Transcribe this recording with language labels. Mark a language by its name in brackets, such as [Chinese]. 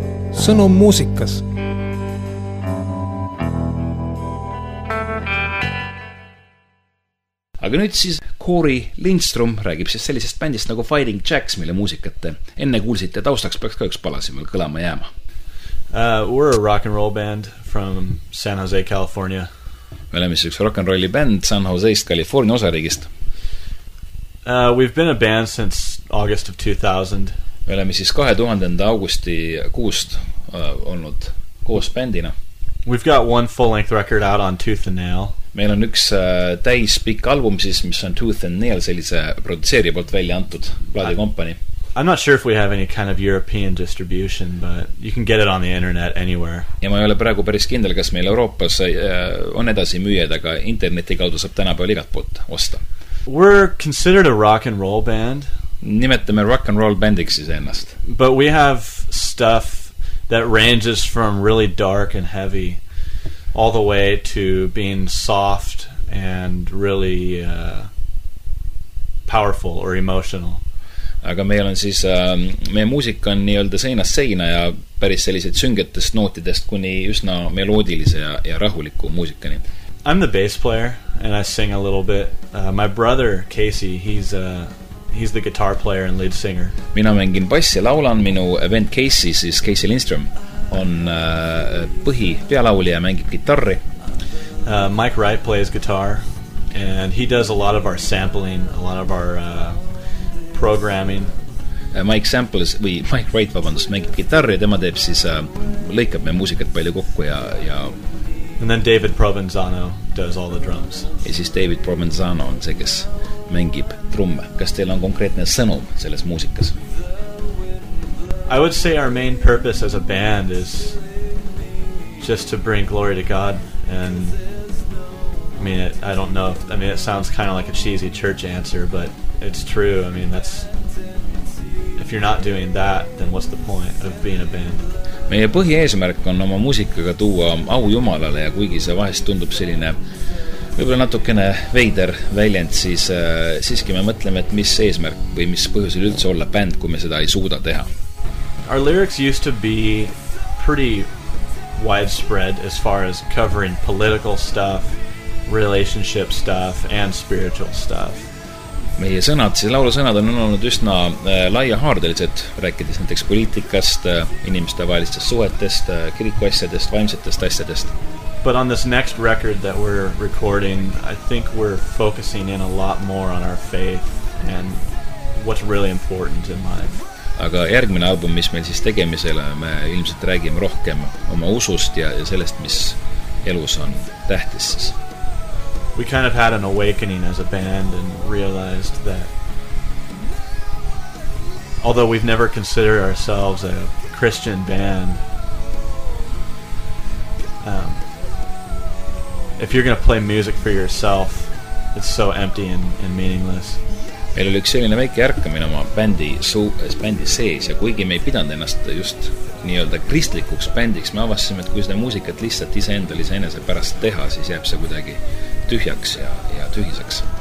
[Estonian] Sõnum muusikas. Aga nüüd siis Corey Lindstrom räägib siis sellisest bändist nagu Fighting Jacks, mille muusikate enne kuulsite ja taustaks peaks ka üks palasimel kõlama jääma. [English] We're a rock and roll band from San Jose, California. [Estonian] Me oleme siis üks rock and rolli band San Joseist, California osariigist. [English] We've been a band since August of 2000. [Estonian] Me oleme siis 2000. Augusti kuust olnud koos bändina. [English] We've got one full-length record out on Tooth and Nail. [Estonian] Meil on üks täis pikk album siis, mis on Tooth and Nail, sellise produtseeri poolt välja antud plaadi kompani. [English] I'm not sure if we have any kind of European distribution, but you can get it on the internet anywhere. [Estonian] Ja ma ei ole praegu päris kindel, kas meil Euroopas on edasi müüjad, aga interneti kaudu saab tänapäeval igat poolt osta. [English] We're considered a rock and roll band. [Estonian] Nimetame rock and roll bandiks siis ennast. [English] But we have stuff that ranges from really dark and heavy all the way to being soft and really powerful or emotional. [Estonian] Aga meil on siis, meie muusika on nii-öelda seinast seina ja päris sellised süngetest nootidest kuni üsna meloodilise ja rahuliku muusikani. [English] I'm the bass player and I sing a little bit. My brother Casey, he's the guitar player and lead singer. [Estonian] Mina mängin bassi ja laulan, minu vend Casey, siis Casey Lindstrom. On põhi pealaulija ja mängib gitarri. [English] Mike Wright plays guitar and he does a lot of our sampling, a lot of our programming. [Estonian] Mike Wright vabandus mängib gitarri, tema teeb siis lõikab me muusikat palju kokku ja [English] and then David Provenzano does all the drums. [Estonian] Ja siis David Provenzano on see, kes mängib trumme. Kas teil on konkreetne sõnum selles muusikas? [English] I would say our main purpose as a band is just to bring glory to God and I mean, I don't know. I mean, it sounds kind of like a cheesy church answer, but it's true. I mean, that's, if you're not doing that, then what's the point of being a band? [Estonian] Meie põhieesmärk on oma muusikaga tuua au Jumalale ja kuigi see vahest tundub selline võib-olla natukene veider väljend, siis siiski me mõtleme, et mis eesmärk või mis põhjusel üldse olla band, kui me seda ei suuda teha. [English] Our lyrics used to be pretty widespread as far as covering political stuff, relationship stuff and spiritual stuff. [Estonian] Meie sõnad, siis laulusõnad on olnud üsna laia haardelised, rääkides näiteks poliitikast, inimeste vahelistest suhetest, kirikuasjadest, vaimsetest asjadest. [English] But on this next record that we're recording, I think we're focusing in a lot more on our faith and what's really important in life. [Estonian] Aga järgmine album, mis meil siis tegemisele, me ilmselt räägime rohkem oma usust ja sellest, mis elus on tähtis siis. [English] We kind of had an awakening as a band and realized that although we've never considered ourselves a Christian band, if you're going to play music for yourself, it's so empty and meaningless. [Estonian] Meil oli üks selline väike järkamine oma bändi sees ja kuigi me ei pidanud ennast just nii-öelda kristlikuks bändiks, me avastasime, et kui seda muusikat lihtsalt ise endal ise enese pärast teha, siis jääb see kuidagi tühjaks ja tühiseks.